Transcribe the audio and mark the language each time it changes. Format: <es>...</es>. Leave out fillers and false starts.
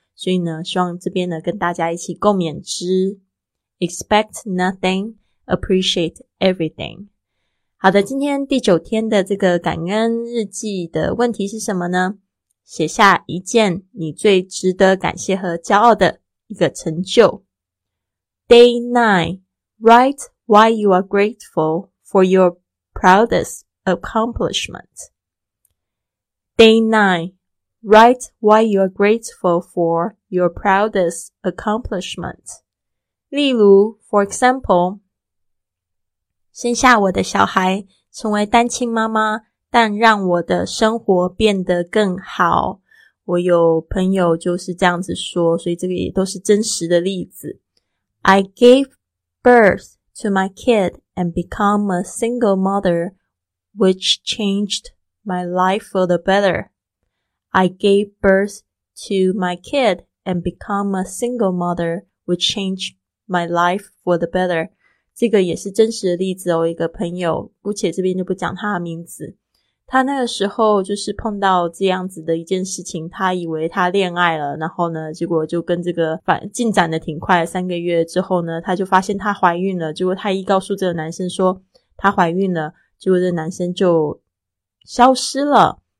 <zh>所以呢希望这边呢跟大家一起共勉之，</zh> <en>Expect nothing, appreciate everything。</en> <zh>好的，今天第九天的这个感恩日记的问题是什么呢？写下一件你最值得感谢和骄傲的一个成就。</zh> <en>Day 9 Write why you are grateful for your proudest accomplishment. Day 9 Write why you are grateful for your proudest accomplishment.</en> <zh>例如</zh> <en>For example,</en> <zh>生下我的小孩，成为单亲妈妈，但让我的生活变得更好。我有朋友就是这样子说，所以这个也都是真实的例子。</zh> <en>I gave birth to my kid and become a single mother, which changed my life for the better. I gave birth to my kid and become a single mother, which changed my life for the better.</en> <zh>这个也是真实的例子哦，一个朋友，姑且这边就不讲他的名字。他那个时候就是碰到这样子的一件事情，他以为他恋爱了，然后呢，结果就跟这个进展的挺快，三个月之后呢，他就发现他怀孕了，结果他一告诉这个男生说他怀孕了，结果这个男生就消失了。</zh>